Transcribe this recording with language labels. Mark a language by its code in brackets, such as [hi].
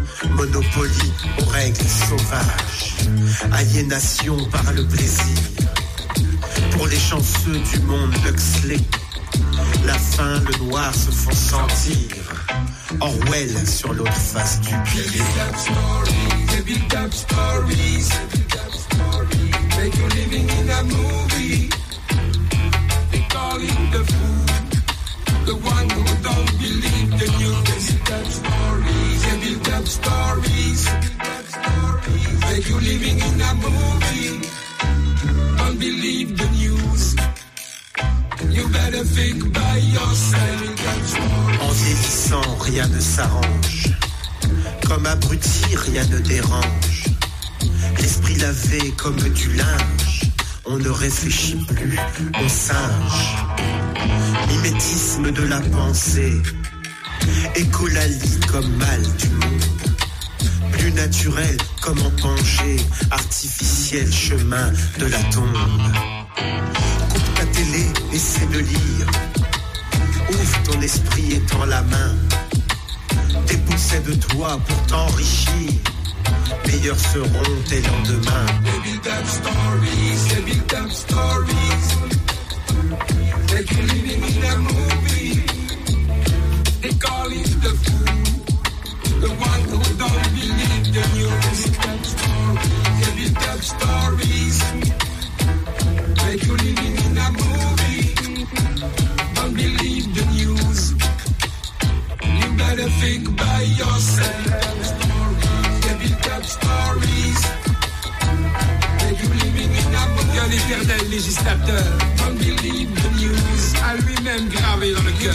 [fr] Monopoly aux règles sauvages, aliénation par le plaisir. Pour les chanceux du monde Huxley, la faim, le noir se font sentir. Orwell sur l'autre face du pied. [en] The build-up stories, the build-up stories, the build-up stories, make you living in a movie. They call it the fool, the one who don't believe the news. The build-up stories, the build-up stories, the build-up stories, make you living in a movie. Don't believe the news. You better think by yourself. [fr] En vieillissant, rien ne s'arrange. Comme abruti, rien ne dérange. L'esprit lavé comme du linge. On ne réfléchit plus, on singe. Mimétisme de la pensée. Écolalie comme mal du monde. Plus naturel comme en pencher. Artificiel chemin de la tombe. Coupe ta télé, essaie de lire. Ouvre ton esprit et tends la main. Dépossède-toi pour t'enrichir. Meilleurs seront tes lendemains. [en] They build up stories, they build up stories. They keep living in a movie. They call it the fool. The one who don't believe the news. They build up stories, they build up stories. They keep living in a movie. Don't believe the news. You better think by yourself. Build-up stories, they build-up stories. Mais you living in a movie. [fr] Y'a l'éternel législateur. [en] Don't believe the news. [fr] A lui-même gravé dans le cœur.